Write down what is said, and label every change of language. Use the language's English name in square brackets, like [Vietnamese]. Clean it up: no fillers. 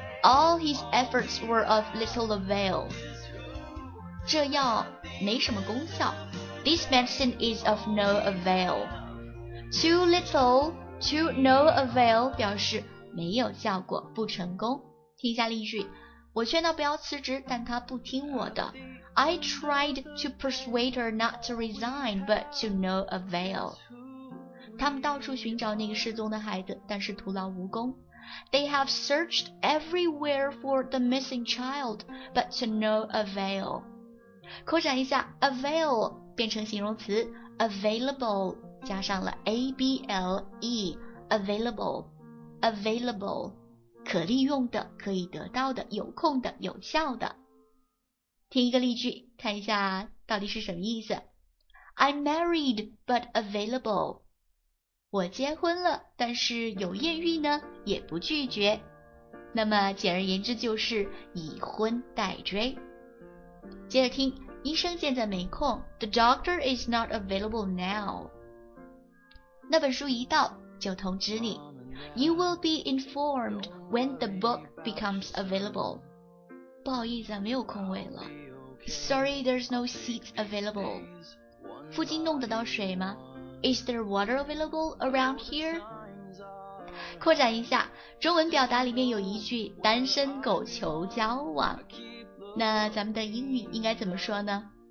[English] All his efforts were of little avail. [Chinese] 这药没什么功效。 [English] This medicine is of no avail. Too little, to no avail 表示没有效果，不成功。 [Chinese] 听下例句，我劝他不要辞职，但他不听我的。 [English] I tried to persuade her not to resign, but to no avail. [Chinese] 他们到处寻找那个失踪的孩子，但是徒劳无功。 [English] They have searched everywhere for the missing child, but to no avail. [Chinese] 扩展一下 avail 变成形容词 available 加上了 able, available, available, 可利用的、可以得到的、有空的、有效的。听一个例句，看一下到底是什么意思。 [English] I'm married, but available. [Chinese] 我结婚了，但是有艳遇呢，也不拒绝。那么简而言之就是已婚待追。接着听，医生现在没空。 [English] The doctor is not available now. [Chinese] 那本书一到就通知你。 [English] You will be informed when the book becomes available. [Chinese] 不好意思啊，没有空位了。 [English] Sorry, there's no seats available. [Chinese] 附近弄得到水吗？ [English] Is there water available around here? [Chinese] 扩展一下，中文表达里面有一句单身狗求交往，那咱们的英语应该怎么说呢？